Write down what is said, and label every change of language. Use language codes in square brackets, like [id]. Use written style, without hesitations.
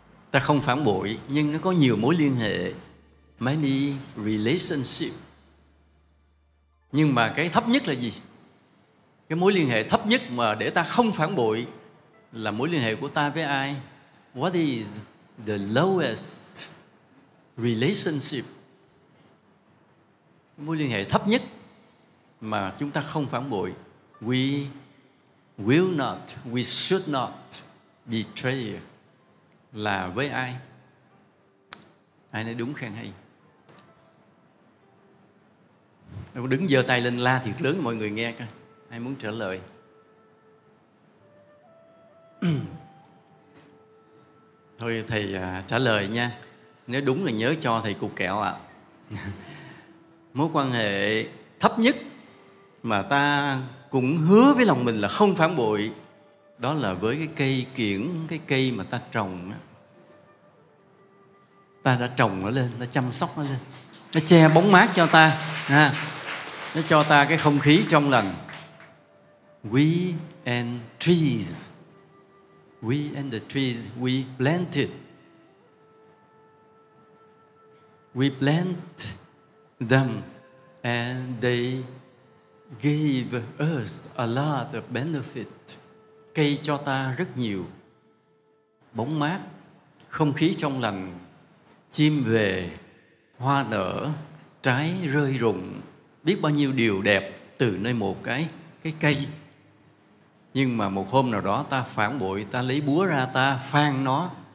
[vi] Ta không phản bội nhưng nó có nhiều mối liên hệ, [en] many relationship. [vi] Nhưng mà cái thấp nhất là gì? Cái mối liên hệ thấp nhất mà để ta không phản bội là mối liên hệ của ta với ai? [en] What is the lowest relationship? [vi] Mối liên hệ thấp nhất mà chúng ta không phản bội. [en] We will not, we should not betray, [vi] là với ai? Ai nói đúng khen hay. Đứng giơ tay lên la thiệt lớn mọi người nghe coi. Ai muốn trả lời? Thôi thầy trả lời nha. Nếu đúng là nhớ cho thầy cục kẹo ạ. Mối quan hệ thấp nhất mà ta cũng hứa với lòng mình là không phản bội, đó là với cái cây kiểng, cái cây mà ta trồng á. Ta đã trồng nó lên, ta chăm sóc nó lên. Nó che bóng mát cho ta. Ha. Nó cho ta cái không khí trong lành. [en] We and trees. We and the trees we planted. We plant them and they gave us a lot of benefit. [vi] Cây cho ta rất nhiều. Bóng mát, không khí trong lành, chim về, hoa nở, trái rơi rụng, biết bao nhiêu điều đẹp từ nơi một cái cây. Nhưng mà một hôm nào đó ta phản bội, ta lấy búa ra, ta phang nó.